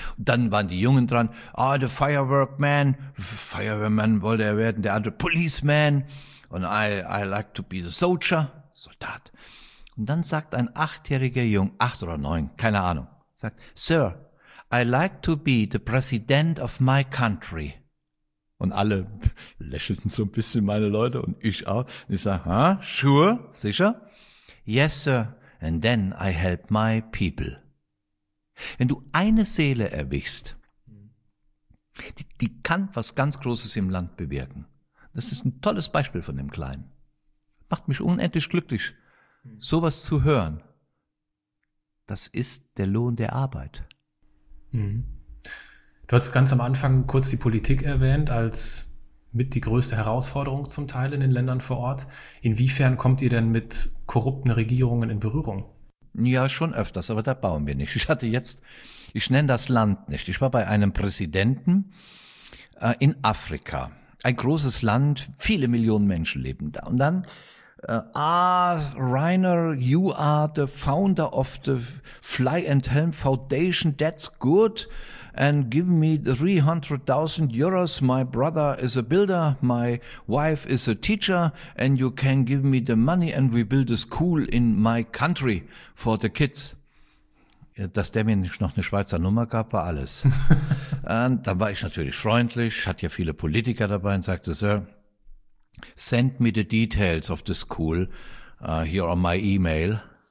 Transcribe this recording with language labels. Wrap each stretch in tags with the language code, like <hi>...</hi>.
<de>Dann waren die Jungen dran, ah, the Fireman wollte er werden, der andere Policeman, und</de> <en>I like to be the soldier,</en> <de>Soldat. Und dann sagt ein 8-jähriger Junge, 8 oder 9, keine Ahnung, sagt,</de> <en>Sir, I like to be the president of my country.</en> <de>Und alle lächelten so ein bisschen, meine Leute, und ich auch. Und ich sage, huh?</de> <en>Sure,</en> <de>sicher?</de> <en>Yes, sir, and then I help my people.</en> <de>Wenn du eine Seele erwischst, die kann was ganz Großes im Land bewirken. Das ist ein tolles Beispiel von dem Kleinen. Macht mich unendlich glücklich, sowas zu hören. Das ist der Lohn der Arbeit. Du hast ganz am Anfang kurz die Politik erwähnt, als mit die größte Herausforderung zum Teil in den Ländern vor Ort. Inwiefern kommt ihr denn mit korrupten Regierungen in Berührung? Ja, schon öfters, aber da bauen wir nicht. Ich nenne das Land nicht. Ich war bei einem Präsidenten in Afrika. Ein großes Land, viele Millionen Menschen leben da. Und dann,</de> <en>Rainer, you are the founder of the Fly and Helm Foundation, that's good. And give me 300.000 euros. My brother is a builder. My wife is a teacher. And you can give me the money and we build a school in my country for the kids.</en> <de>Dass der mir nicht noch eine Schweizer Nummer gab, war alles. Und dann war ich natürlich freundlich, hatte ja viele Politiker dabei und sagte,</de> <en>Sir, send me the details of the school here on my email.</en>